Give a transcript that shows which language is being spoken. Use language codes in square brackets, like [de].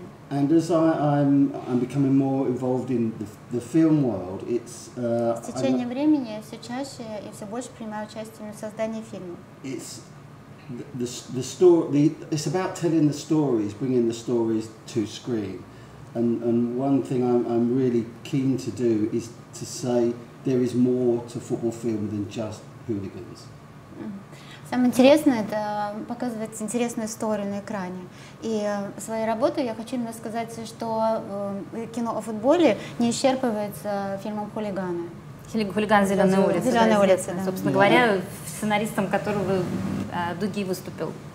[en] And as I'm becoming more involved in the film world, it's [ru] в течение времени я все чаще и все больше принимаю участие в создании фильма. [en] It's the story, it's about telling the stories, bringing the stories to screen. And one thing I'm really keen to do is to say there is more to football film than just hooligans. [ru] Самое интересное — это показывать интересную историю на экране. И своей работой я хочу именно сказать, что кино о футболе не исчерпывается фильмом «Хулиганы». «Хулиган зеленой улицы». «Зеленая улица», да. Собственно говоря, сценаристом которого Дуги выступил.